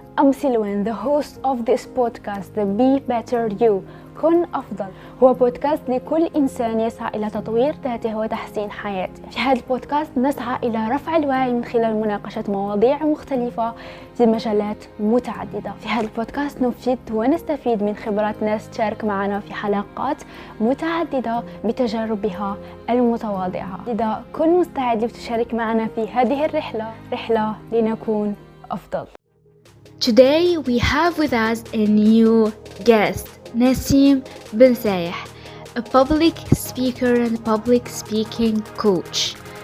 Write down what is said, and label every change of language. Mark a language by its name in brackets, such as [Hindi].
[English] I'm Silwan, the host of this podcast, The Be Better You. [Arabic] كن أفضل هو بودكاست لكل إنسان يسعى إلى تطوير ذاته وتحسين حياته. في هذا البودكاست نسعى إلى رفع الوعي من خلال مناقشة مواضيع مختلفة في مجالات متعددة. في هذا البودكاست نفيد ونستفيد من خبرات ناس تشارك معنا في حلقات متعددة بتجاربها المتواضعة. إذا كن مستعد لتشارك معنا في هذه الرحلة، رحلة لنكون أفضل. [English] Today we have with us a new guest. Nassim Bin Sayah, a public speaker and public speaking coach.